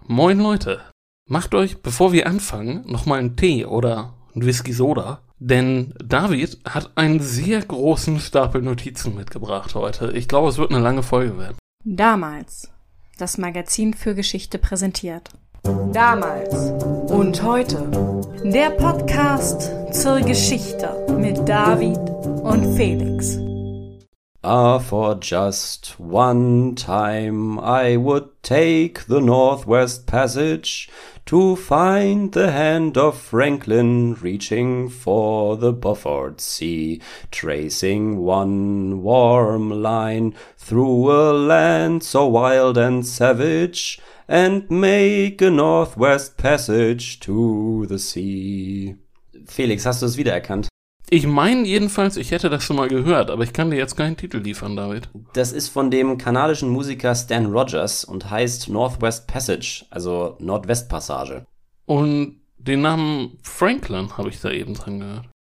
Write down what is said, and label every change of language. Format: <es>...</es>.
<de>Moin Leute, macht euch, bevor wir anfangen, nochmal einen Tee oder ein Whisky-Soda, denn David hat einen sehr großen Stapel Notizen mitgebracht heute. Ich glaube, es wird eine lange Folge werden. Damals, das Magazin für Geschichte präsentiert. Damals und heute, der Podcast zur Geschichte mit David und Felix.</de> <en>Ah, for just one time I would take the Northwest Passage to find the hand of Franklin reaching for the Beaufort Sea, tracing one warm line through a land so wild and savage, and make a Northwest Passage to the sea.</en> <de>Felix, hast du es wiedererkannt? Ich meine jedenfalls, ich hätte das schon mal gehört, aber ich kann dir jetzt keinen Titel liefern, David. Das ist von dem kanadischen Musiker Stan Rogers und heißt Northwest Passage, also Nordwestpassage. Und den Namen Franklin habe ich da eben dran gehört.</de>